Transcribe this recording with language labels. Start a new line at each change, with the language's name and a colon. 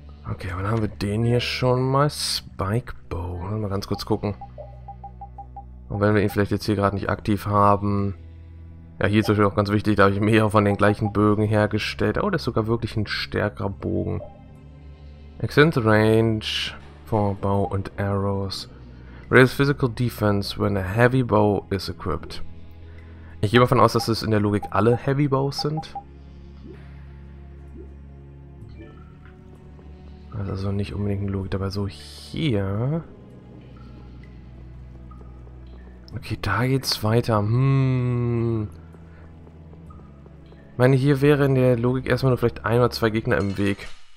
German: Okay, aber dann haben wir den hier schon mal. Spike Bow. Mal ganz kurz gucken. Und wenn wir ihn vielleicht jetzt hier gerade nicht aktiv haben. Ja, hier ist natürlich auch ganz wichtig, da habe ich mehrere von den gleichen Bögen hergestellt. Oh, das ist sogar wirklich ein stärkerer Bogen.
English: Extend the range for bow and arrows. Raise physical defense when a heavy bow is equipped.
German: Ich gehe mal davon aus, dass es in der Logik alle Heavy Bows sind. Also nicht unbedingt eine Logik dabei. So, hier. Okay, da geht's weiter. Ich meine, hier wäre in der Logik erstmal nur vielleicht ein oder zwei Gegner im Weg.